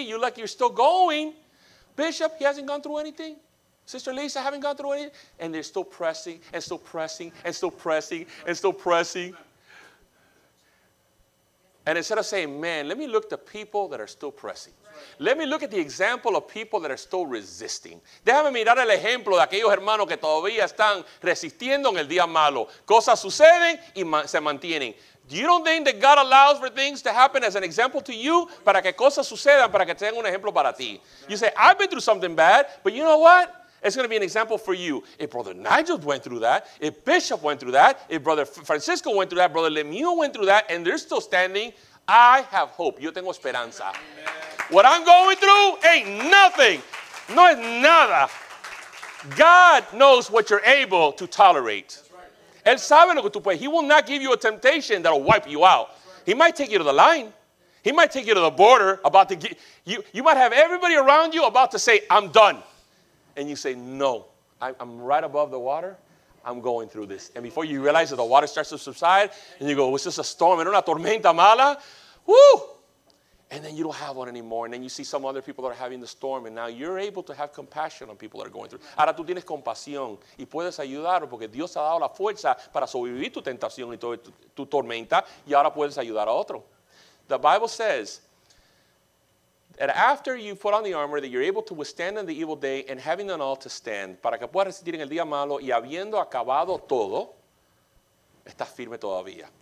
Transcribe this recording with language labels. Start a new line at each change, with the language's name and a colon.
English: You look like you're still going. Bishop, he hasn't gone through anything. Sister Lisa, I haven't gone through anything. And they're still pressing and still pressing and still pressing and still pressing. And instead of saying, man, let me look at the people that are still pressing. Let me look at the example of people that are still resisting.
Spanish: Déjame mirar el ejemplo de aquellos hermanos que todavía están resistiendo en el día malo. Cosas suceden y se mantienen.
English: You don't think that God allows for things to happen as an example to you?
Spanish: Para que cosas sucedan, para que tengan un ejemplo para ti.
English: You say, I've been through something bad, but you know what? It's going to be an example for you. If Brother Nigel went through that, if Bishop went through that, if Brother Francisco went through that, Brother Lemieux went through that, and they're still standing, I have hope.
Spanish: Yo tengo esperanza.
English: Amen. What I'm going through ain't nothing.
Spanish: No es nada.
English: God knows what you're able to tolerate.
Spanish: Él sabe lo que tú puedes.
English: He will not give you a temptation that will wipe you out. He might take you to the line. He might take you to the border about to get you. You might have everybody around you about to say, I'm done. And you say, no, I'm right above the water. I'm going through this. And before you realize that the water starts to subside and you go, it's just a storm. It's not a
Spanish: tormenta mala.
English: Woo! And then you don't have one anymore. And then you see some other people that are having the storm. And now you're able to have compassion on people that are going through.
Spanish: Ahora tú tienes compasión. Y puedes ayudar porque Dios ha dado la fuerza para sobrevivir tu tentación y tu tormenta. Y ahora puedes ayudar a otro.
English: The Bible says that after you put on the armor that you're able to withstand in the evil day and having done all to stand.
Spanish: Para que puedas resistir en el día malo y habiendo acabado todo, estás firme todavía.